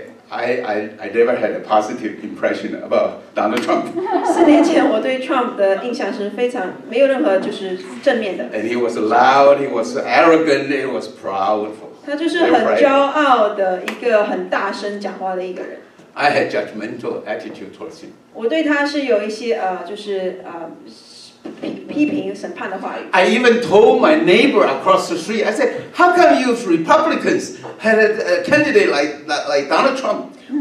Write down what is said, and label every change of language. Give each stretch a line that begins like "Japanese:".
English: I never had a positive impression about Donald Trump.
Chinese: 四年前我对 Trump 的印象是非常没有任何就是正面的。
English: And he was loud, he was arrogant, he was proudful.
Chinese: 他就是很骄傲的一个很大声讲话的一个人。
English: I had judgmental attitude towards him.
Chinese: 我对他是有一些就是批评审判的话语。
English: I even told my neighbor across the street. I said, "How come you Republicans had a candidate like Donald Trump?"